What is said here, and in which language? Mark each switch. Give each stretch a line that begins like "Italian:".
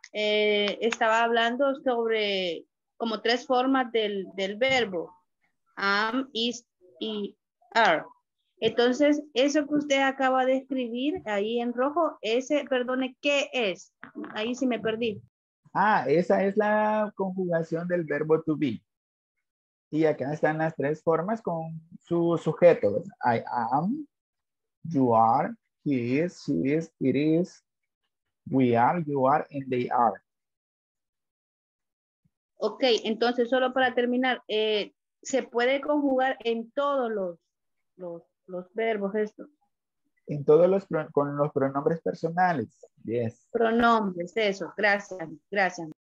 Spanish: Estaba hablando sobre como tres formas del verbo, am, is y are. Entonces, eso que usted acaba de escribir ahí en rojo, ese, perdone, ¿qué es? Ahí sí me perdí. Ah, esa es la conjugación del verbo to be. Y acá están las tres formas con su sujeto.
English: I am, you are, he is, she is, it is, we are, you are, and they are.
Spanish: Ok, entonces solo para terminar, ¿se puede conjugar en todos los verbos esto? En todos los, con los pronombres personales, yes. Pronombres, eso, gracias.